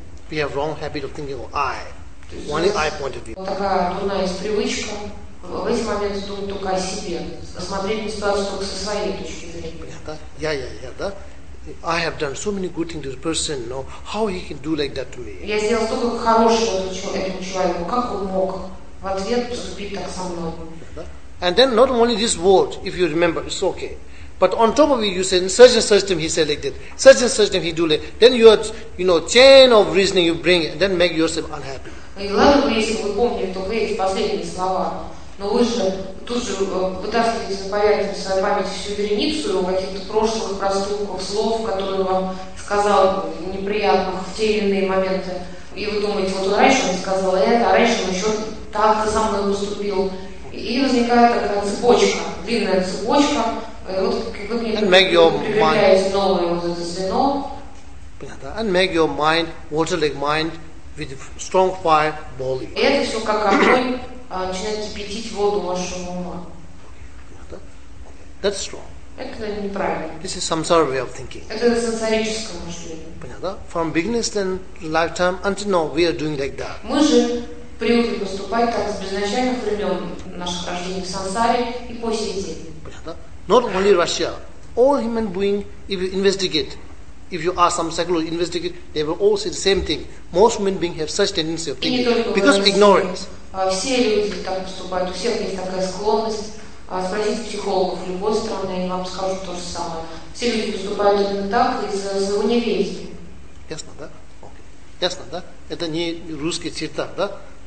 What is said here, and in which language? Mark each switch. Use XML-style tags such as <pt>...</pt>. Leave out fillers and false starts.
<en>We have wrong habit of thinking of I. Only I point of view.</en> <ru>Вот такая дурная есть привычка в эти моменты думать только о себе, смотреть на ситуацию только со своей точки зрения. Да.</ru> <en>I have done so many good things to this person. No, how he can do like that to me?</en> <ru>Я сделал столько хорошего этому человеку. Как он мог в ответ поступить так со мной?</ru> <en>And then not only this word, if you remember, it's okay. But on top of it, you say, such and such time he selected, such and such time he do it. Then you have, you know, chain of reasoning you bring, and then make yourself unhappy.</en> <ru>И главное, если вы помните, то вы эти последние слова. Но вы же тут же вытаскиваете на поверхность своей памяти всю вереницу каких-то прошлых проступков, слов, которые вам сказал неприятных в те или иные моменты. И вы думаете, вот он раньше он сказал это, а раньше он еще так-то со мной поступил. И возникает такая цепочка, длинная цепочка.</ru> <en>And make your mind. Yeah, and make your mind water-like mind with strong fire boiling.</en> <ru>И это все как огонь начинает кипятить воду вашего ума.</ru> <en>That's strong.</en> <ru>Это неправильно.</ru> <en>This is samsara way of thinking.</en> <ru>Это сансарическое мышление. Понятно?</ru> <en>From beginning to lifetime until now we are doing like that.</en> <ru>Мы же привыкли поступать так с безначальных времен наших рождений в сансаре и по сей день.</ru> <en>Not only Russia, all human beings, if you investigate, if you ask some psychologist, investigate, they will all say the same thing. Most human beings have such tendency of thinking, because of ignorance.</en> <ru>Все люди так поступают, у всех есть такая склонность. Спросите психологов любой страны, они вам скажут то же самое. Все люди поступают именно так, из-за своего неверия. Ясно, да? Окей. Ясно, да? Это не русский черта, да?</ru>